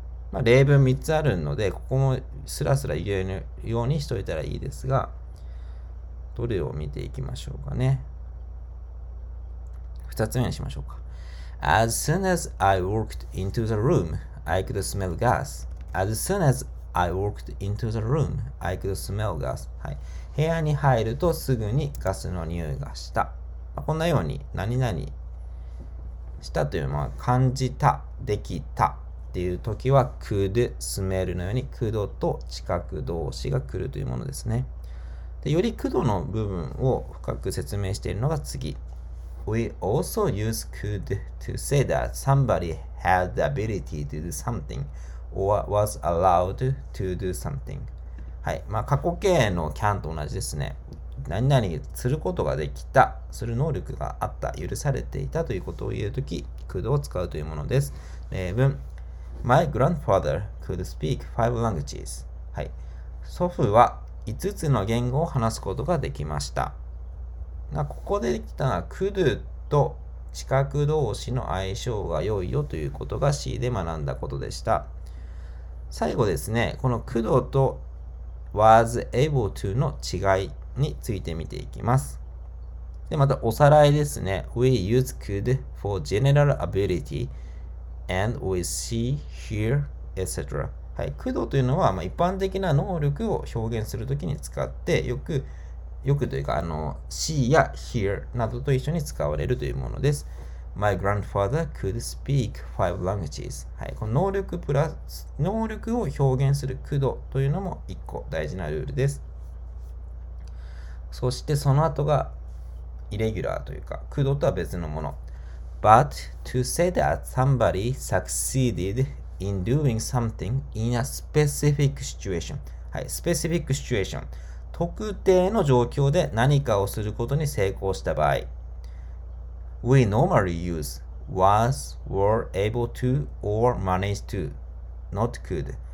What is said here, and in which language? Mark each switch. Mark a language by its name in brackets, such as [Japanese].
[Japanese] まあ、例文3つあるので、ここもスラスラ言えるようにしといたらいいですが、どれを見ていきましょうかね。 2つ目にしましょうか。 [English] As soon as I walked into the room, I could smell gas. As soon as I walked into the room, I could smell gas. [Japanese] はい、部屋に入るとすぐにガスの匂いがした。まあ、こんなように、何々したというのは感じた、できたっていう時は、could、 smell のように、could と知覚動詞が来るというものですね。で、より could の部分を深く説明しているのが次。 [English] We also use could to say that somebody had the ability to do something or was allowed to do something. [Japanese] はい、まあ、過去形の can と同じですね。何々することができた、する能力があった、許されていたということを言うとき、could を使うというものです。 [English] 例文、My grandfather could speak 5 languages. [Japanese] はい、祖父は5つの言語を話すことができました。まあ、ここでできたのは、could と近く動詞の相性が良いよということが C で学んだことでした。最後ですね、この could と was able to の違いについて見ていきます。で、またおさらいですね。 [English] We use could for general ability and we see, hear, etc. [Japanese] はい、could というのは、まあ、一般的な能力を表現するときに使って、よくというか、see や hear などと一緒に使われるというものです。 [English] My grandfather could speak 5 languages. [Japanese] はい、この能力プラス、能力を表現する could というのも一個大事なルールです。そしてその後がイレギュラーというか、could とは別のもの。 [English] But to say that somebody succeeded in doing something in a specific situation. はい、specific situation。 [Japanese] 特定の状況で何かをすることに成功した場合。 [English] We normally use was, were able to, or managed to, not could.